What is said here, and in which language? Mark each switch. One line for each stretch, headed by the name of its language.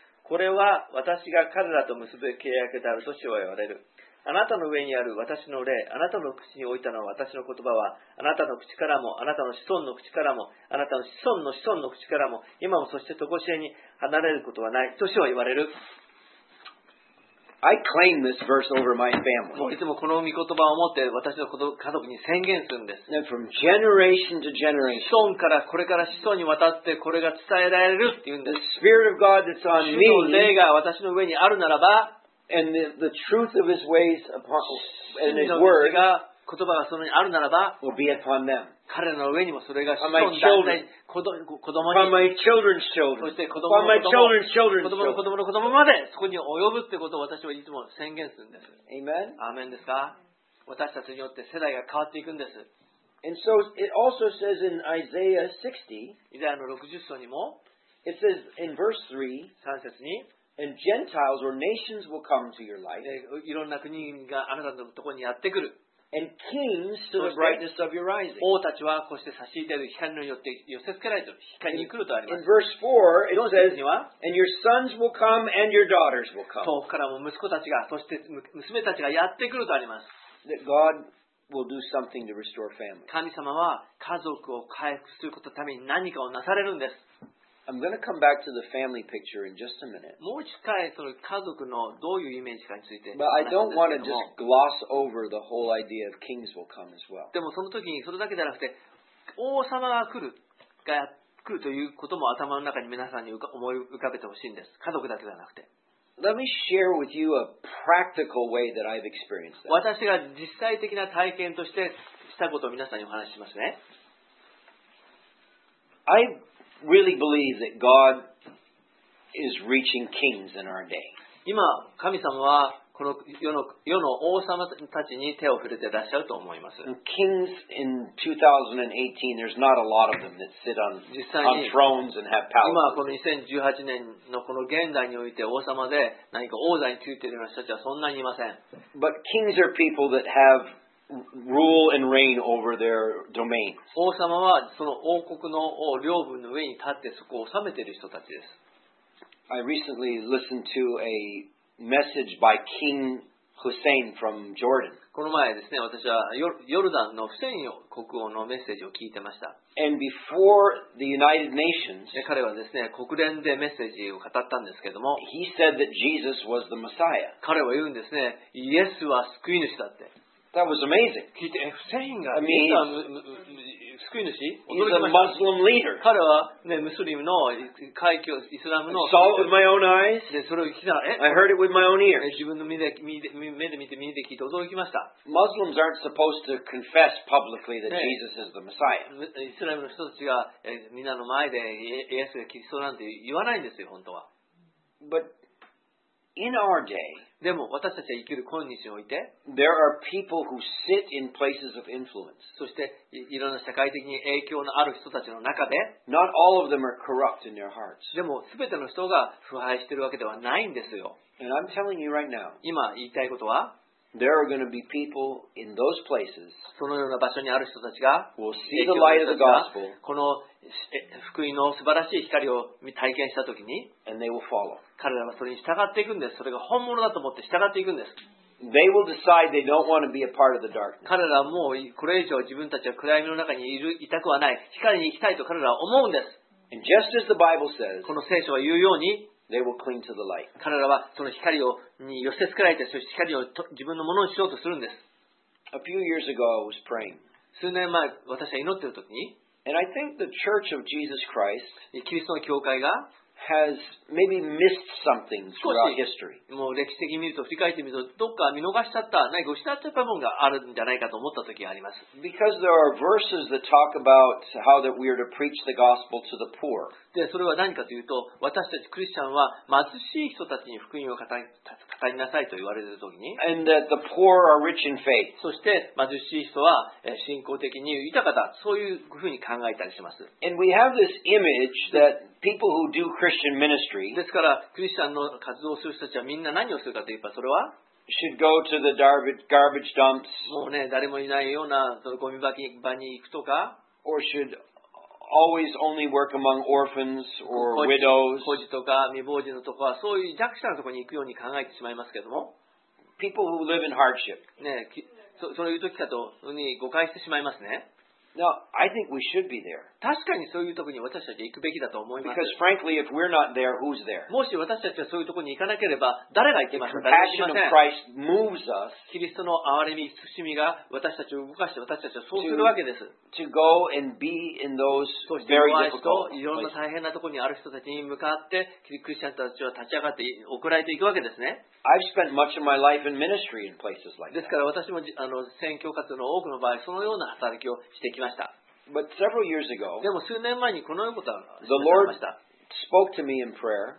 Japanese: これは私が彼らと結ぶ契約であると主は言われる。あなたの上にある私の霊、あなたの口に置いたのは私の言葉は、あなたの口からも、あなたの子孫の口からも、あなたの子孫の子孫の口からも、今もそして常しえに離れることはないと主は言われる。
English: I claim this verse over my family.
Japanese: いつもこの御言葉を持って私の家族に宣言するんです。
English: And from generation to generation.
Japanese: 子孫からこれから子孫にわたってこれが伝えられるっていうんです。
English: The spirit of God that's on me.
Japanese: 主の霊が私の上にあるならば。
English: And the truth of His ways upon and His word.
Japanese: 言葉がそのにあるならば。
English: Will be upon them.
Japanese: 彼の上にもそれが子孫だったり、子供に、
English: from my children's children.
Japanese: そして子供の子供、子供の子供の子供までそこに及ぶってことを私はいつも宣言するんです。
English: Amen.
Japanese: アーメンですか？私たちによって世代が変わっていくんです。
English: And so it also says in Isaiah 60,
Japanese: イザヤの60章にも、
English: it says in verse 3,
Japanese: 3節に、
English: and Gentiles or nations will come to your light.
Japanese: いろんな国があなたのところにやってくる。
English: And kings to the brightness of your rising.
Japanese: 王たちはこうして差し入れる光によって寄せつけられる光に来るとあります。
English: In verse 4, it says, and your sons will come and your daughters will come.
Japanese: 遠くからも息子たちが、そして娘たちがやってくるとあります。
English: That God will do something to restore families.
Japanese: 神様は家族を回復することのために何かをなされるんです。
English: I'm going to come back to the family picture in just a minute.
Japanese: もう一回その家族のどういうイメージかについて。
English: But I don't want to just gloss over the whole idea of kings will come as well.
Japanese: でもその時にそれだけじゃなくて、王様が来る、が来るということも頭の中に皆さんに思い浮かべてほしいんです。家族だけじゃなくて。
English: Let me share with you a practical way that I've experienced that.
Japanese: 私が実際的な体験としてしたことを皆さんにお話ししますね。
English: I really believe that God is reaching kings in our day.
Japanese: 今神様はこの世の王様たちに手を触れていらっしゃると思います。
English: Kings in 2018, there's not a lot of them that sit on thrones and have power.
Japanese: 今この2018年のこの現代において王様で何か王座についている人たちはそんなにいません。
English: But kings are people that have rule and reign over their domain.
Japanese: 王様はその王国の領分の上に立ってそこを治めている人たちです。
English: I recently listened to a message by King Hussein from Jordan.
Japanese: この前ですね、私はヨルダンのフセイン国王のメッセージを聞いてました。
English: And before the United Nations,
Japanese: 彼はですね、国連でメッセージを語ったんですけども、
English: He said that Jesus was the Messiah.
Japanese: 彼は言うんですね、イエスは救い主だって。
English: That was amazing. I mean, he's a Muslim leader.
Japanese: 彼はねムスリムの階級イスラムの。
English: I saw it with my own eyes.
Japanese: でそれを聞いた。
English: I heard it with my own ears.
Japanese: 自分の目で見て耳で聞いて驚きました。
English: Muslims aren't supposed to confess publicly that Jesus is the Messiah.
Japanese: イスラムの人たちがみんなの前でイエスがキリストなんて言わないんですよ本当は。
English: But in our day.
Japanese: でも私たちが生きる今日において、
English: There are people who sit in places of influence.
Japanese: そして、いろんな社会的に影響のある人たちの中で、
English: Not all of them are corrupt in their hearts.
Japanese: でも、すべての人が腐敗しているわけではないんですよ。
English: And I'm telling you right now,
Japanese: 今言いたいことは、
English: There are going to be people in those places
Japanese: そのような場所にある人たちが
English: will see the light of the gospel
Japanese: この福音の素晴らしい光を体験したときに
English: and they will follow
Japanese: 彼らはそれに従っていくんです。それが本物だと思って従っていくんです。
English: They will decide they don't want to be a part of the darkness.
Japanese: 彼らはもうこれ以上自分たちは暗闇の中にいたくはない。光に行きたいと彼らは思うんです。
English: And just as the Bible says,
Japanese: この聖書は言うように
English: They will cling to the light.
Japanese: 彼らはその光をに寄せつけられて、そして光を自分のものにしようとするんです。
English: A few years ago, I was praying.
Japanese: 数年前、私は祈っているときに、
English: And I think the Church of Jesus Christ
Japanese: キリストの教会が
English: has maybe missed something throughout history.
Japanese: もう歴史的に見ると、振り返ってみると、どっか見逃しちゃった、何か失っちゃった部分があるんじゃないかと思ったときがあります。
English: Because there are verses that talk about how that we are to preach the gospel to the poor.
Japanese: でそれは何かというと、私たちクリスチャンは貧しい人たちに福音を語りなさいと言われているときに、
English: And that the poor are rich in faith.
Japanese: そして貧しい人は信仰的に豊かだ、そういうふうに考えたりします。
English: And we have this image that people who do Christian ministry,
Japanese: ですから、クリスチャンの活動をする人たちはみんな何をするかというと、それは、
English: should go to the garbage dumps,
Japanese: もうね、誰もいないようなそのゴミ場に行くとか、
English: or shouldAlways only work among orphans or widows.
Japanese: 孤児とか未亡人のとこはそういう弱者のところに行くように考えてしまいますけども。
English: People who live in hardship.
Japanese: ね、そういう時かとに誤解してしまいますね。
English: No, I think we should be there.
Japanese: 確かにそういうところに私たちは行くべきだと思います。
English: Because frankly, if we're not there, who's there?
Japanese: もし私たちはそういうところに行かなければ誰が行きますか。
English: The compassion of Christ moves us.
Japanese: キリストの憐れみ、慈しみが私たちを動かして私たちはそうするわけです。
English: To go and be in those very difficult places.
Japanese: いろんな大変なところにある人たちに向かってキリストたちは立ち上がって送られていくわけですね。
English: I've spent much of my life in ministry in places like that.
Japanese: ですから私も宣教活動の多くの場合そのような働きをしてきました。
English: But several years ago,
Japanese: でも数年前にこのようなことが
English: The Lord spoke to me in prayer.